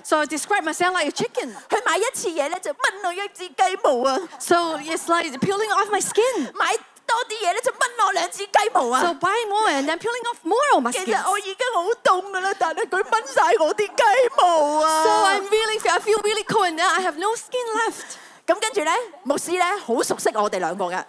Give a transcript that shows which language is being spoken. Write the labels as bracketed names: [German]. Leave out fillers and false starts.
[English] So I describe myself like a chicken。 [Cantonese] 去買一次嘢咧，就掹落一支雞毛啊。 [English] So it's like peeling off my skin。 [Cantonese] 買多啲嘢咧，就掹落兩支雞毛啊。 [English] So buy more and then peeling off more of my skin。 [Cantonese] 其實我已經好凍噶啦，但係佢掹曬我啲雞毛啊。 [English] So I'm really I feel really cold and then I have no skin left。 [Cantonese] 咁跟住咧，牧師咧好熟悉我哋兩個嘅。